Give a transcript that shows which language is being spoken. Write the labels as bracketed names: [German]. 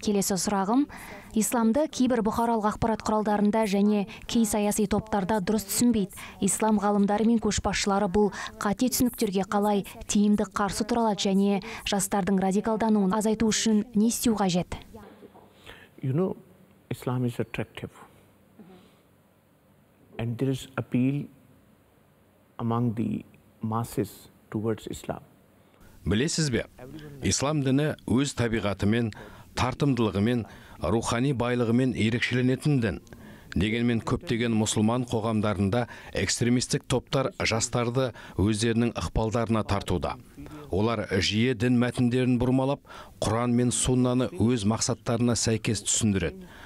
[Kazakh] Келесі сұрағым, исламды кейбір бұқаралық ақпарат құралдарында және кей саяси топтарда дұрыс түсінбейді. Ислам ғалымдары мен көшбасшылары бұл қате түсініктерге қалай тиімді қарсы тұра алады және жастардың радикалдануын азайту үшін не істеу қажет? [English] You know, Islam is attractive. And there is appeal among the masses towards Islam. [Kazakh] Білесіз бе, ислам діні өз табиғатымен, тартымдылығымен, рухани байлығымен ерекшеленетін дін. Дегенмен көптеген мұсылман қоғамдарында экстремистік топтар жастарды өздерінің ықпалдарына тартуда. Олар жиі дін мәтіндерін бұрмалап, Құран мен Суннаны өз мақсаттарына сәйкес түсіндіреді.